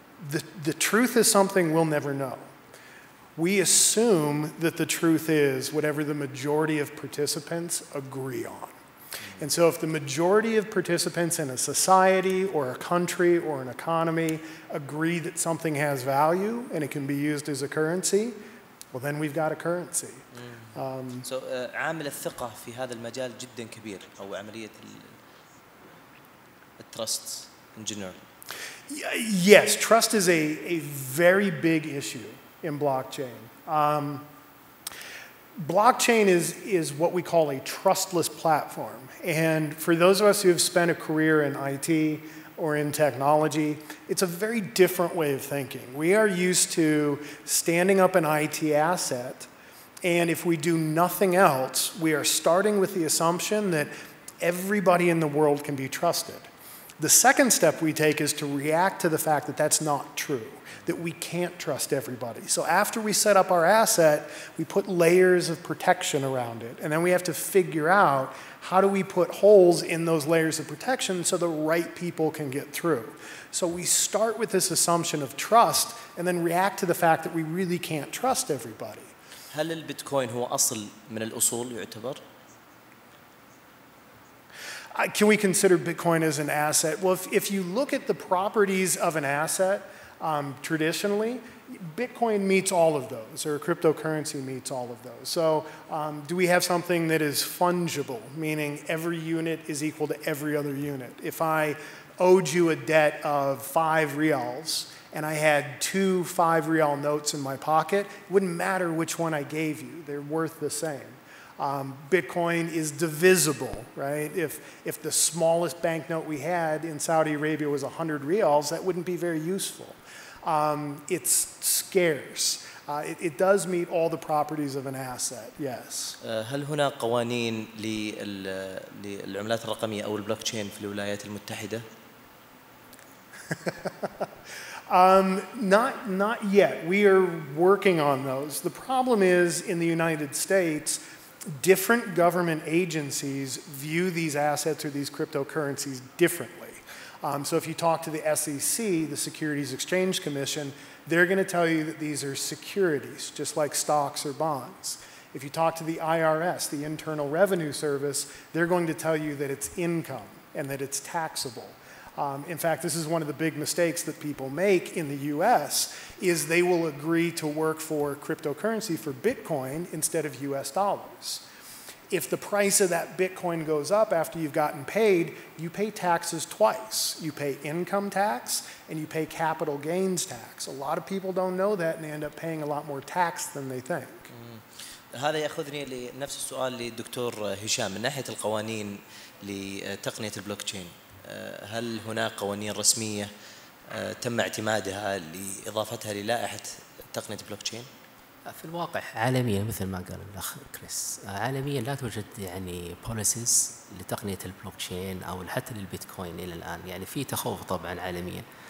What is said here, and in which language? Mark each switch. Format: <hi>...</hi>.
<en>The truth is something we'll never know. We assume that the truth is whatever the majority of participants agree on. And so if the majority of participants in a society or a country or an economy agree that something has value and it can be used as a currency, well, then we've got a currency.</en> <ar>عامل الثقة في هذا المجال جدا كبير، أو عملية التراست</ar> <en>in general. Yes, trust is a very big issue in blockchain. Blockchain is what we call a trustless platform. And for those of us who have spent a career in IT or in technology, it's a very different way of thinking. We are used to standing up an IT asset, and if we do nothing else, we are starting with the assumption that everybody in the world can be trusted. The second step we take is to react to the fact that that's not true, that we can't trust everybody. So after we set up our asset, we put layers of protection around it. And then we have to figure out how do we put holes in those layers of protection so the right people can get through. So we start with this assumption of trust and then react to the fact that we really can't trust everybody.</en> <ar>هل البيتكوين هو أصل من الأصول يعتبر؟</ar> <en>Can we consider Bitcoin as an asset? Well, if you look at the properties of an asset, traditionally, Bitcoin meets all of those, or cryptocurrency meets all of those. So do we have something that is fungible, meaning every unit is equal to every other unit? If I owed you a debt of 5 reals, and I had 2 5-real notes in my pocket, it wouldn't matter which one I gave you. They're worth the same. Bitcoin is divisible, right? If the smallest banknote we had in Saudi Arabia was 100 reals, that wouldn't be very useful. It's scarce. It does meet all the properties of an asset, yes.</en> <ar>هل هنا قوانين للعملات الرقمية أو البلوكتشين في الولايات المتحدة؟</ar> <en>Not yet. We are working on those. The problem is, in the United States, different government agencies view these assets or these cryptocurrencies differently. So if you talk to the SEC, the Securities Exchange Commission, they're going to tell you that these are securities, just like stocks or bonds. If you talk to the IRS, the Internal Revenue Service, they're going to tell you that it's income and that it's taxable. In fact, this is one of the big mistakes that people make in the U.S. is they will agree to work for cryptocurrency, for Bitcoin, instead of U.S. dollars. If the price of that Bitcoin goes up after you've gotten paid, you pay taxes twice. You pay income tax and you pay capital gains tax. A lot of people don't know that and they end up paying a lot more tax than they think.</en> <ar>هذا يأخذني لنفس السؤال لدكتور هشام، من ناحية القوانين لتقنية البلوكتشين، هل هناك قوانين رسمية تم اعتمادها لإضافتها للائحة تقنية البلوكتشين؟ في الواقع عالميا مثل ما قال الأخ كريس، عالميا لا توجد يعني بوليسيز لتقنية البلوكتشين أو حتى للبيتكوين إلى الآن، يعني في تخوف طبعا عالميا.</ar>